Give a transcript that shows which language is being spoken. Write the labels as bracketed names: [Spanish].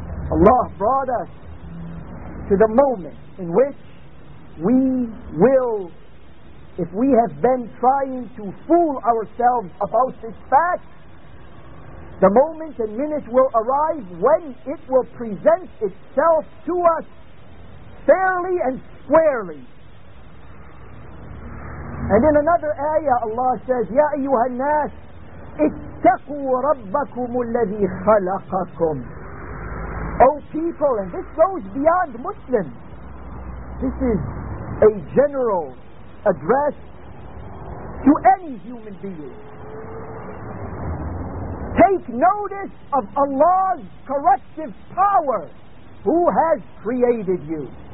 [English] Allah brought us to the moment in which we will, if we have been trying to fool ourselves about this fact, the moment and minute will arrive when it will present itself to us fairly and squarely. And in another ayah, Allah says, [Arabic] يَا أَيُّهَا النَّاسِ اتَّقُوا رَبَّكُمُ الَّذِي خَلَقَكُمْ. [English] O people, and this goes beyond Muslims, this is a general address to any human being. Take notice of Allah's corrective power who has created you.